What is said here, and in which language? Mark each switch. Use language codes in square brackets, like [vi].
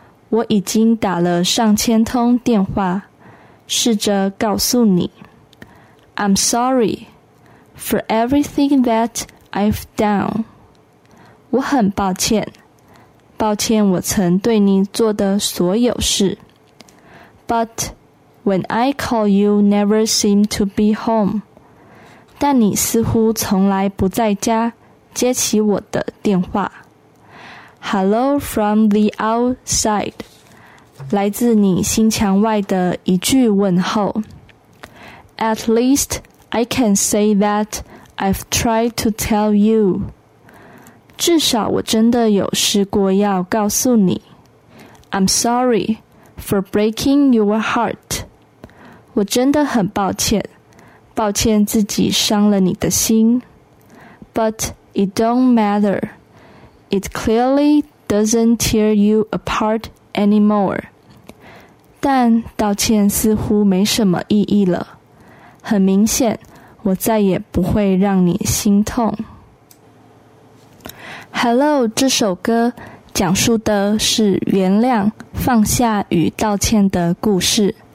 [zh] 我已经打了上千通电话，试着告诉你。 [en] I'm sorry. For everything that I've done. [zh] 我很抱歉，抱歉我曾对你做的所有事。 [en] But when I call you never seem to be home. [zh] 但你似乎从来不在家，接起我的电话。 [en] Hello from the outside. [zh] 来自你心墙外的一句问候。 [en] At leastI can say that I've tried to tell you. [zh] 至少我真的有试过要告诉你。 [en] I'm sorry for breaking your heart. [zh] 我真的很抱歉，抱歉自己伤了你的心。 [en] But it don't matter. It clearly doesn't tear you apart anymore. [zh] 但道歉似乎没什么意义了。很明显，我再也不会让你心痛。 Hello, 这首歌讲述的是原谅、放下与道歉的故事。